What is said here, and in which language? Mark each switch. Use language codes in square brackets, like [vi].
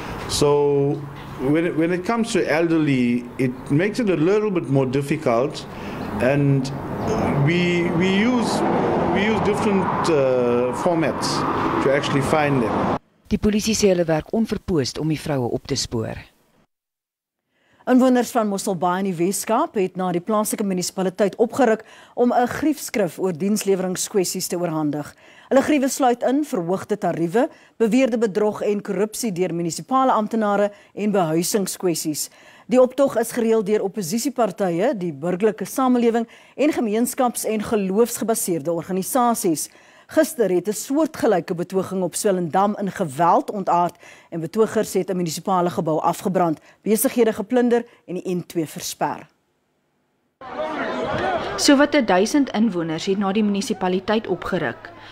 [en] So when it comes to elderly, it makes it a little bit more difficult, and we use different formats to actually find them. [af] Die polisie sê hulle werk onverpoost om die vroue op te spoor. Inwoners van Mosselbaai in die Weskaap het na die plaaslike munisipaliteit opgeruk om 'n griefskrif oor diensleweringskwessies te oorhandig. Hulle griewe sluit in verhoogde tariewe, beweerde bedrog en korrupsie deur munisipale amptenare en behuisingskwessies. Die optog is gereël deur oppositiepartye, die burgerlike samelewing en gemeenskaps- en geloofsgebaseerde organisasies. Gister het 'n soortgelyke betoging op Swellendam in geweld ontaard en betogers het 'n munisipale gebou afgebrand, besighede geplunder en die N2 versper. Sowat 1000 inwoners het na die munisipaliteit opgeruk.